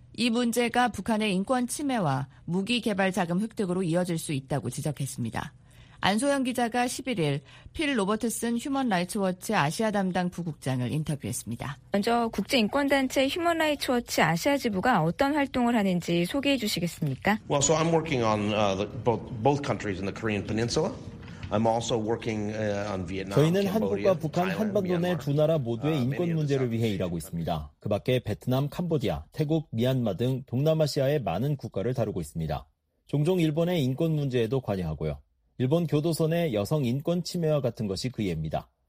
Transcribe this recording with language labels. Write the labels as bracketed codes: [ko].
[ko] 이 문제가 북한의 인권 침해와 무기 개발 자금 획득으로 이어질 수 있다고 지적했습니다. 안소영 기자가 11일 필 로버트슨 휴먼라이츠워치 아시아 담당 부국장을 인터뷰했습니다. 먼저 국제인권단체 휴먼라이츠워치 아시아 지부가 어떤 활동을 하는지 소개해 주시겠습니까? [en] Well, so I'm working on both countries in the Korean Peninsula. I'm also working on Vietnam. [ko] 저희는 한국과 북한, 한반도 내 두 나라 모두의 인권 문제를 위해 일하고 있습니다. 그 밖에 베트남, 캄보디아, 태국, 미얀마 등 동남아시아의 많은 국가를 다루고 있습니다. 종종 일본의 인권 문제에도 관여하고요. 일본 교도소 내 여성 인권 침해와 같은 것이 그 예입니다.